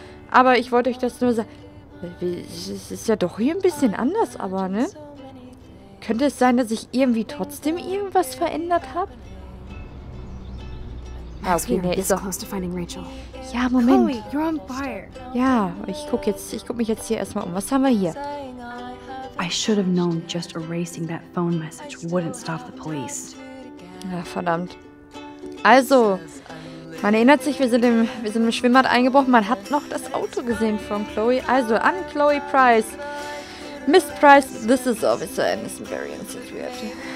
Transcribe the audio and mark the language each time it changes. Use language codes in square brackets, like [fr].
[de] Aber ich wollte euch das nur sagen. Es ist ja doch hier ein bisschen anders, aber, ne? Könnte es sein, dass ich irgendwie trotzdem irgendwas verändert habe? Ah, okay, ne, ist doch. Ja, Moment. [en] Chloe, you're on fire. [de] Ja, ich guck mich jetzt hier erstmal um. Was haben wir hier? [en] I should have known just erasing that phone message wouldn't stop the police. [de] Na, verdammt. Also, man erinnert sich, wir sind im Schwimmbad eingebrochen. Man hat noch das Auto gesehen von Chloe. Also, an Chloe Price. [en] Miss Price, this is Officer Anderson Berry and Security.